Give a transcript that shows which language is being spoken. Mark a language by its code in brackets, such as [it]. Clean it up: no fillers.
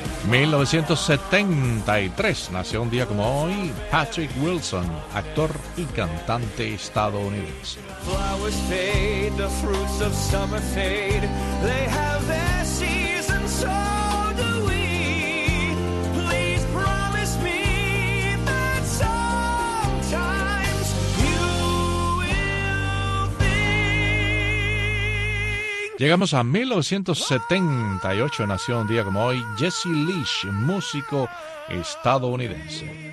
[es] En 1973 nació un día como hoy Patrick Wilson, actor y cantante estadounidense. [en] Flowers fade, the fruits of summer fade, they have their season, so do we. Please promise me that sometimes you will think. [es] Llegamos a 1978, nació un día como hoy Jesse Leach, músico estadounidense.